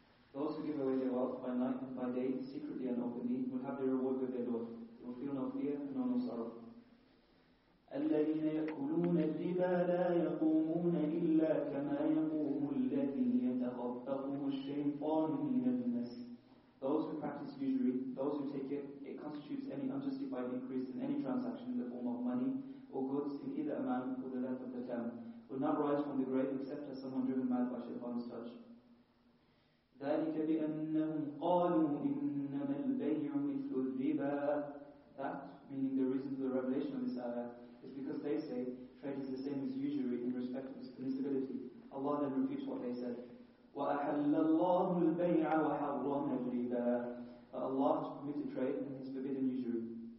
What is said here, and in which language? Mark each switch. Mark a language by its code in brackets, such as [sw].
[en] Those who give away their wealth by night and by day, secretly and openly, will have their reward with their Lord. They will feel no fear, nor no sorrow. [ar] الذين يأكلون الربا لا يقومون إلا كما يقوم الذي يتخبطه الشيطان من المس. [en] Those who practice usury, those who take it, it constitutes any unjustified increase in any transaction in the form of money or goods in either amount or the length of the term, will not rise from the grave except as someone driven mad by Shaitan's touch. [ar] ذلك بأنهم قالوا إنما البيع مثل الربا. [en] That, meaning the reason for the revelation of this ayah, is because they say trade is the same as usury in respect of its permissibility. Allah then repeats what they said. [ar] وَأَحَلَّ اللَّهُ الْبَيْعَ وَحَرَّمَ الرِّبَا. [en] But Allah has permitted trade and has forbidden usury.